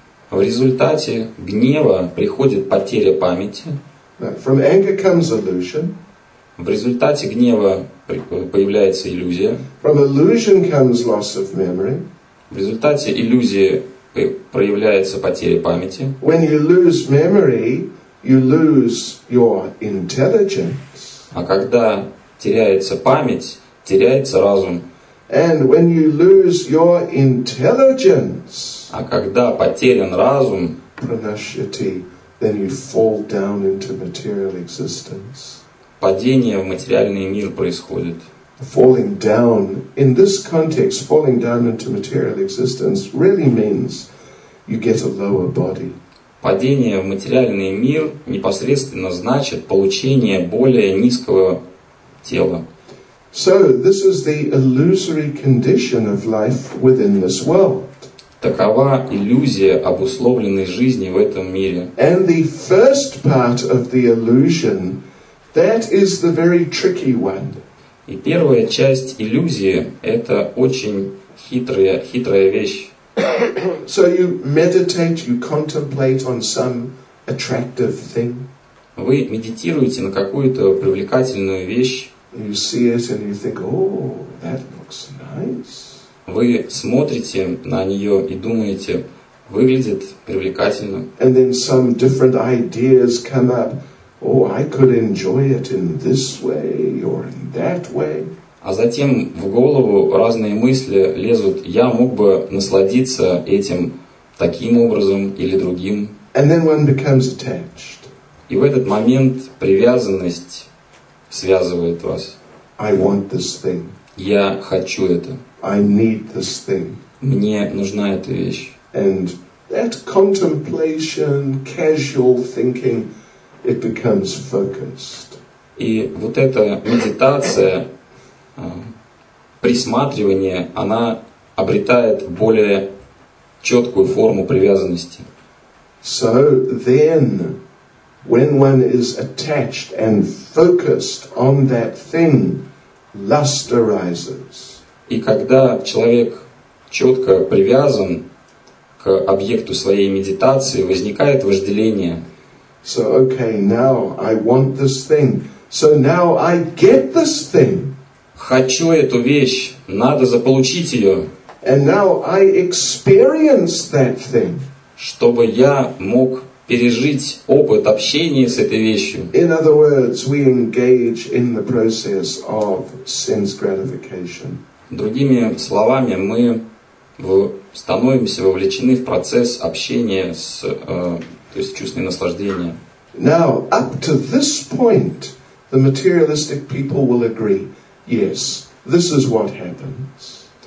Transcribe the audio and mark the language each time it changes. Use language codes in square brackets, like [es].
[ru] В результате гнева приходит потеря памяти. [en] From anger comes illusion. [ru] В результате гнева появляется иллюзия. [en] From illusion comes loss of memory. [ru] В результате иллюзии проявляется потеря памяти. [en] When you lose memory, you lose your intelligence. [ru] А когда теряется память, теряется разум. [en] And when you lose your intelligence, [ru] а когда потерян разум, [en] pranashyati, then you fall down into material existence. [ru] Падение в материальный мир происходит. [en] Falling down, in this context, falling down into material existence really means you get a lower body. [ru] Падение в материальный мир непосредственно значит получение более низкого тела. [en] So this is the illusory condition of life within this world. [ru] Такова иллюзия обусловленной жизни в этом мире. [en] And the first part of the illusion, that is the very tricky one. [ru] И первая часть иллюзии – это очень хитрая вещь. [en] So you meditate, you contemplate on some attractive thing. [ru] Вы медитируете на какую-то привлекательную вещь. [en] You see it and you think, oh, that looks nice. [ru] Вы смотрите на нее и думаете, выглядит привлекательно. [en] And then some different ideas come up. Oh, I could enjoy it in this way or in that way. [ru] А затем в голову разные мысли лезут. Я мог бы насладиться этим таким образом или другим. [en] And then one becomes attached. [ru] И в этот момент привязанность связывает вас. [en] I want this thing. [ru] Я хочу это. [en] I need this thing. [ru] Мне нужна эта вещь. [en] And that contemplation, casual thinking, it becomes focused. [ru] И вот эта медитация, присматривание, она обретает более четкую форму привязанности. [en] So then, when one is attached and focused on that thing, lust arises. [ru] И когда человек четко привязан к объекту своей медитации, возникает вожделение. [en] So okay, now I want this thing. So now I get this thing. [ru] Хочу эту вещь, надо заполучить ее. [en] And now I experience that thing. [ru] Чтобы я мог пережить опыт общения с этой вещью. [en] In other words, we engage in the process of sense gratification. [ru] Другими словами, мы становимся вовлечены в процесс общения с то есть чувственное наслаждение. [en] Now, up to this point, the materialistic people will agree, yes, this is what happens.